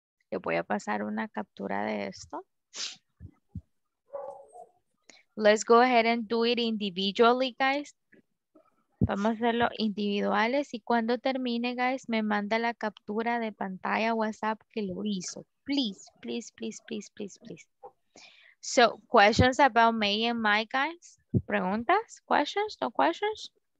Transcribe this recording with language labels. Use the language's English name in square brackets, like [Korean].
[Spanish] Le voy a pasar una captura de esto. [English] Let's go ahead and do it individually, guys. [Spanish] Vamos a hacerlo individuales y cuando termine, guys, me manda la captura de pantalla WhatsApp que lo hizo. [English] Please, please, please, please, please, please. So, questions about May and my guys? [Spanish] Preguntas? [English] Questions? No questions?